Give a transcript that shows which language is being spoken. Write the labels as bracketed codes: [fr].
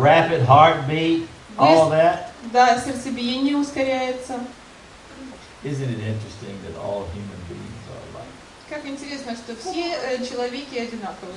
[en] Rapid heartbeat, all that. [ru] Да, сердцебиение ускоряется. [en] Isn't it interesting that all human beings are alike? [ru] Как интересно, что все человеки одинаковы.